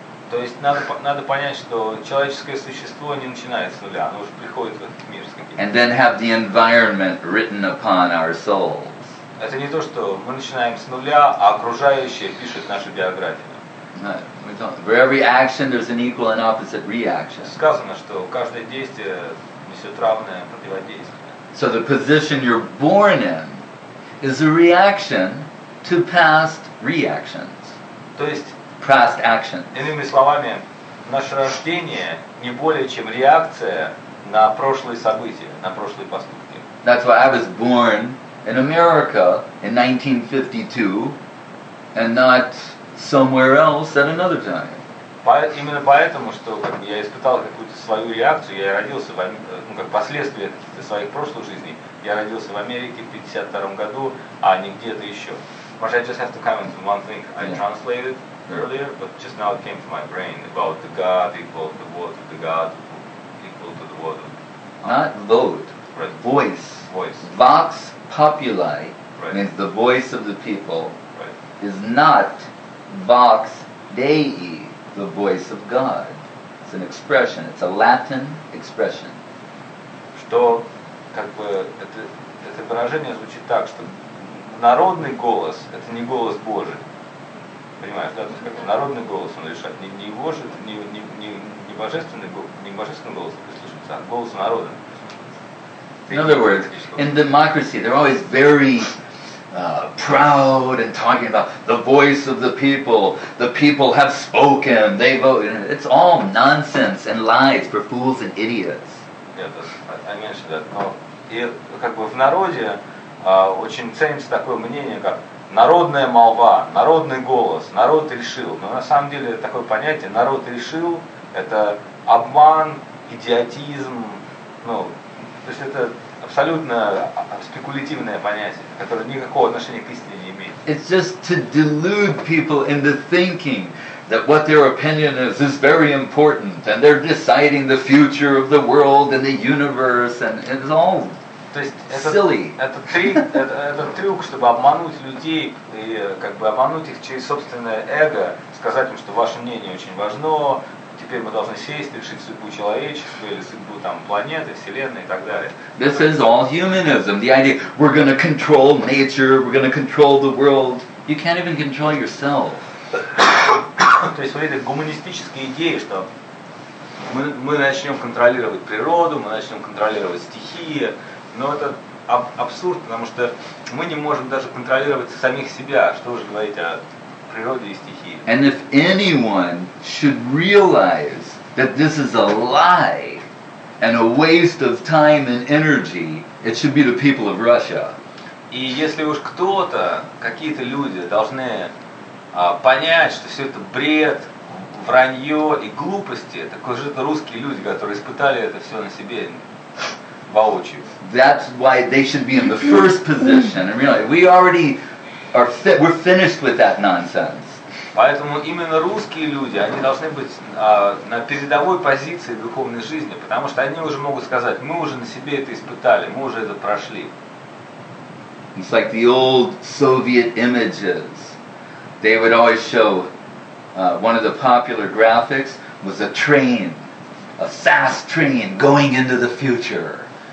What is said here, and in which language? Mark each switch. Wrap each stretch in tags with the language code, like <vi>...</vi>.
<ru>То есть надо понять, что человеческое существо не начинает с нуля, оно уже приходит в этот мир с каким-то.</ru> <en>And then have the environment written upon our souls.</en> <ru>Это не то, что мы начинаем с нуля, а окружающее пишет нашу биографию.</ru> <en>For every action there's an equal and opposite reaction.</en> <ru>Сказано, что каждое действие несет равное противодействие.</ru> <en>So the position you're born in is a reaction to past reactions.</en> <ru>То есть</ru> <en>past actions.</en> <ru>Иными словами, наше рождение не более чем реакция на прошлые события, на прошлые поступки.</ru> <en>That's why I was born in America in 1952 and not somewhere else at another time.</en> <ru>Именно поэтому, что как бы, я испытал какую-то свою реакцию, я родился в Америке, ну как последствия каких-то своих прошлых жизней, я родился в Америке в 52 году, а не где-то еще. Может,</ru> <en>I just have to comment on one thing. I translated earlier, but just now it came to my brain about the God equal to the water, the God equal to the water. Not load, right. Voice. Voice.</en> <la>Vox populi,</la> <en>right, means the voice of the people, right, is not</en> <la>vox dei,</la> <en>the voice of God. It's an expression. It's a Latin expression.</en> <ru>Что, как бы, это выражение звучит так, что народный голос, это не голос Божий. Понимаешь, да, то есть как бы народный голос он решает. Не божественный голос прислушивается, а голос народа.</ru> <en>In other words, in democracy, they're always very proud and talking about the voice of the people. The people have spoken, they vote. It's all nonsense and lies for fools and idiots. I mentioned that.</en> <ru>Но, и как бы в народе очень ценится такое мнение, как народная молва, народный голос, народ решил. Но на самом деле такое понятие, народ решил, это обман, идиотизм, ну, то есть это абсолютно спекулятивное понятие, которое никакого отношения к истине не имеет.</ru> <en>It's just to delude people into thinking that what their opinion is very important, and they're deciding the future of the world and the universe, and it's all...</en> <ru>То есть это,</ru> <en>silly.</en> <ru>Это трюк, чтобы обмануть людей и как бы обмануть их через собственное эго, сказать им, что ваше мнение очень важно, теперь мы должны сесть и решить судьбу человечества или судьбу там планеты, вселенной и так далее.</ru> <en>This is all humanism. The idea we're going to control nature, we're going to control the world. You can't even control yourself.</en> <ru>То есть вот эти гуманистические идеи, что мы начнем контролировать природу, мы начнем контролировать стихии. Но это абсурд, потому что мы не можем даже контролировать самих себя, что уже говорить о природе и стихии.</ru> <en>And if anyone should realize that this is a lie and a waste of time and energy, it should be the people of Russia.</en> <ru>И если уж кто-то, какие-то люди должны понять, что все это бред, вранье и глупости. Такое же это русские люди, которые испытали это все на себе воочию.</ru> <en>That's why they should be in the first position. And really, we already are we're finished with that nonsense.</en> <ru>Поэтому именно русские люди, они должны быть на передовой позиции духовной жизни, потому что они уже могут сказать, мы уже на себе это испытали, мы уже это прошли.</ru> <en>It's like the old Soviet images. They would always show one of the popular graphics was a train, a fast train going into the future.</en>